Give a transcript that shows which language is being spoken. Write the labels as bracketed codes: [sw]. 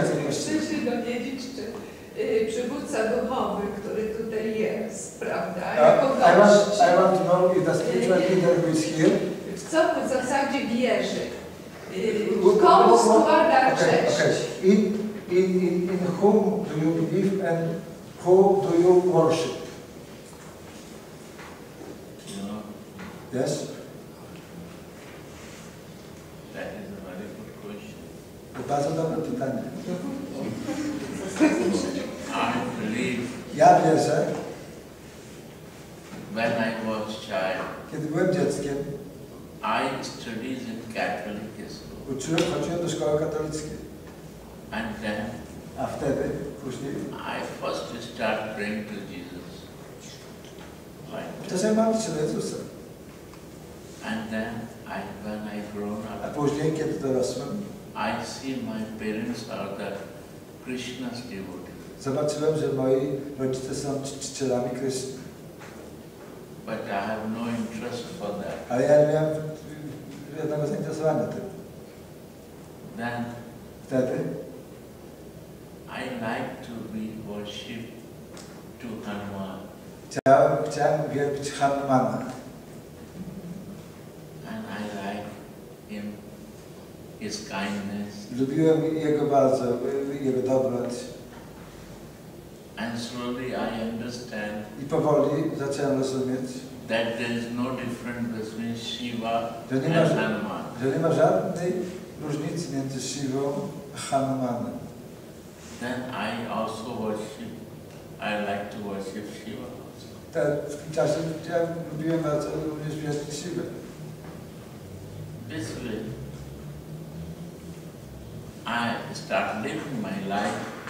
[pl] Chcę się dowiedzieć, czy przywódca duchowy, który tutaj jest, prawda? Jako gość. [en] I want to know if the spiritual leader who is here. [pl] W co w zasadzie wierzy? Komu składa cześć? [en] Okay. In whom do you believe and who do you worship? No. Yes? That is a very good question. [pl] To bardzo dobre pytanie. [en] I believe. [pl] Ja wierzę. [en] When I was child. [pl] Kiedy byłem dzieckiem. [en] I studied in Catholic school. [pl] Chodziłem do szkoły katolickiej. [en] And then, [pl] a wtedy, później, [en] I first start praying to Jesus. [pl] To się modlić do Jezusa. [en] And then, when I grow up, [pl] a później, kiedy dorosłem, [en] I see my parents are the Krishna's devotees. [pl] Zobaczyłem, że moi rodzice są czcicielami Krishna. [en] But I have no interest for that. [pl] A ja nie miałem żadnego zainteresowania tym. [en] Then, [pl] wtedy, [en] I like to be worship to Hanuman. [pl] Chciałem wielbić Hanumana. [en] And I like him, his kindness. [pl] Lubiłem jego bardzo, jego dobroć. [en] And slowly I understand. [pl] I powoli zacząłem rozumieć. [en] That there is no difference between Shiva and Hanuman. [pl] Że nie ma żadnej różnicy między Shivą a Hanumanem. [en] Then I also worship. I like to worship Shiva also. [pl] Tak, w tym czasie ja lubiłem bardzo również wierzyć Shiva. [en] This way I start living my life.